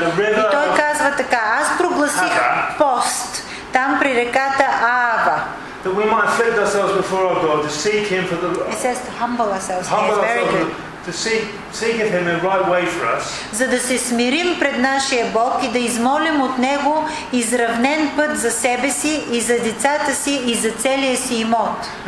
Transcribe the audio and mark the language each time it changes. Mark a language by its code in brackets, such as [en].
[bg] И той казва така: аз прогласих пост там при реката Аава. [en] That we might afflict ourselves before our God to seek him for the It says to humble ourselves. Humble very good. To seek of him the right way for us. [bg] За да се смирим пред нашия Бог и да измолим от него изравнен път за себе си и за децата си и за целия си имот.